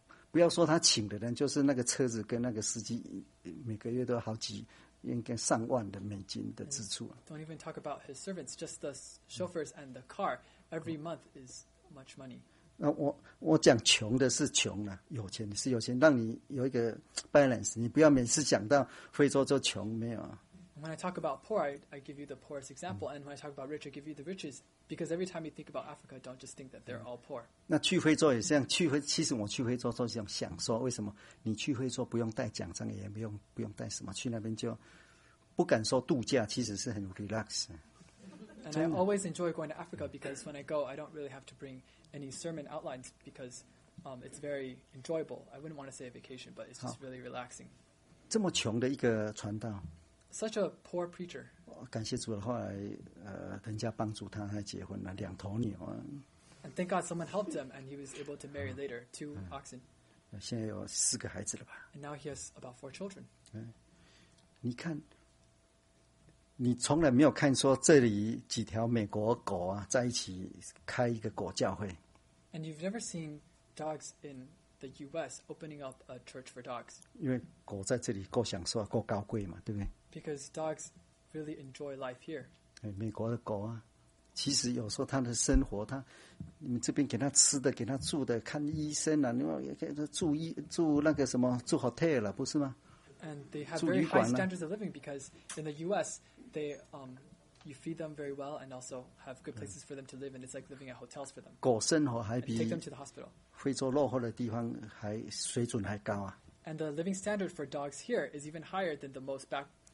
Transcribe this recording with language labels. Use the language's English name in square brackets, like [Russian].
[Chinese] 不要说他请的人，就是那个车子跟那个司机，每个月都好几，应该上万的美金的支出。 [English] Don't even talk about his servants, just the chauffeurs and the car. Every month is much money. [Chinese] 那我讲穷的是穷了，有钱是有钱，让你有一个 balance。你不要每次讲到非洲就穷，没有。 [English] When I talk about poor, I give you the poorest example. And when I talk about rich, I give you the riches. Because every time you think about Africa, don't just think that they're all poor. [Chinese] 那去非洲也是这样。其实我去非洲都是想享受。为什么？你去非洲不用带奖章，也不用带什么，去那边就不敢说度假，其实是很 relax。 [English] And I always enjoy going to Africa because when I go, I don't really have to bring any sermon outlines because it's very enjoyable. I wouldn't want to say a vacation, but it's just really relaxing. [Chinese] 这么穷的一个传道。 [English] Such a poor preacher. [Chinese] 感谢主了，后来人家帮助他，他结婚了，两头牛。 [English] And thank God someone helped him, and he was able to marry later two oxen. [Chinese] 现在有四个孩子了吧 [English] ？And now he has about four children. [Chinese] 你看，你从来没有看说这里几条美国狗啊在一起开一个狗教会。 [English] And you've never seen dogs in the U.S. opening up a church for dogs. [Chinese] 因为狗在这里够享受，够高贵嘛，对不对？ [English] Because dogs really enjoy life here. [Chinese] 美国的狗啊，其实有时候它的生活，它你们这边给它吃的，给它住的，看医生啊，你们给它住那个什么住 hotel 了，不是吗？ [English] And they have very high standards of living because in the U.S. they you feed them very well and also have good places for them to live and it's like living at hotels for them. [Chinese] 狗生活还比 [English] take them to the hospital. [Chinese] 非洲落后的地方还水准还高啊。 [English] And the living standard for dogs here is even higher than the most back.